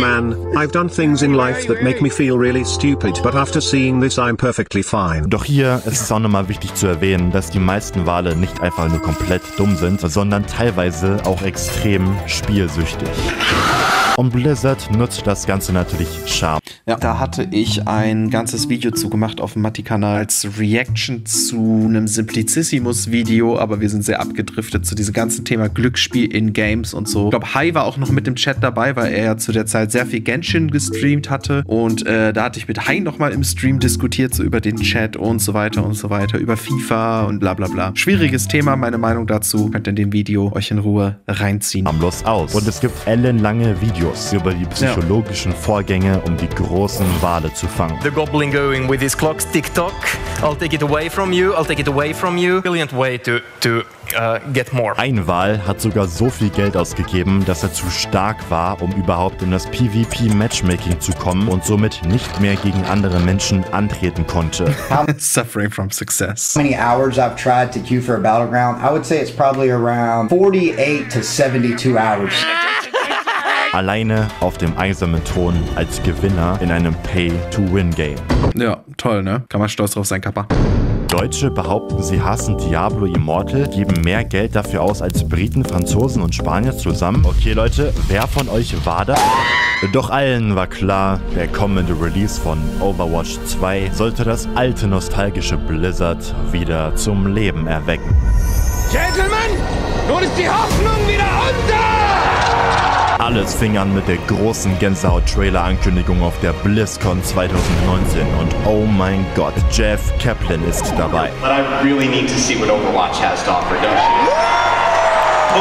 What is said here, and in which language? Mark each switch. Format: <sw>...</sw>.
<en>Man, I've done things in life that make me feel really stupid, but after seeing this I'm perfectly fine.</en> <de>Doch hier ist es auch nochmal wichtig zu erwähnen, dass die meisten Wale nicht einfach nur komplett dumm sind, sondern teilweise auch extrem spielsüchtig. Und Blizzard nutzt das Ganze natürlich scharf. Ja, da hatte ich ein ganzes Video zu gemacht auf dem Matti-Kanal als Reaction zu einem Simplicissimus-Video, aber wir sind sehr abgedriftet zu diesem ganzen Thema Glücksspiel in Games und so. Ich glaube, Hai war auch noch mit dem Chat dabei, weil er ja zu der Zeit sehr viel Genshin gestreamt hatte. Und da hatte ich mit Hai nochmal im Stream diskutiert, so über den Chat und so weiter und so weiter, über FIFA und bla bla bla. Schwieriges Thema, meine Meinung dazu. Könnt ihr in dem Video euch in Ruhe reinziehen. Am Los aus. Und es gibt ellenlange Videos über die psychologischen Vorgänge, um die großen Wale zu fangen.</de> <en>The goblin going with his clocks tick-tock. I'll take it away from you, I'll take it away from you. Brilliant way to get more.</en> <de>Ein Wal hat sogar so viel Geld ausgegeben, dass er zu stark war, um überhaupt in das PvP-Matchmaking zu kommen und somit nicht mehr gegen andere Menschen antreten konnte.</de> <en>I'm suffering from success. How many hours I've tried to queue for a battleground? I would say it's probably around 48 to 72 hours.</en> <de>Alleine auf dem eisernen Thron als Gewinner in einem Pay-to-Win-Game. Ja, toll, ne? Kann man stolz drauf sein, Kappa. Deutsche behaupten, sie hassen Diablo Immortal, geben mehr Geld dafür aus als Briten, Franzosen und Spanier zusammen. Okay, Leute, wer von euch war da? Doch allen war klar, der kommende Release von Overwatch 2 sollte das alte nostalgische Blizzard wieder zum Leben erwecken. Gentlemen, nun ist die Hoffnung wieder unter! Alles fing an mit der großen Gänsehaut-Trailer-Ankündigung auf der BlizzCon 2019 und oh mein Gott, Jeff Kaplan ist dabei.</de> <en>But I really need to see what Overwatch has to offer, don't you?</en>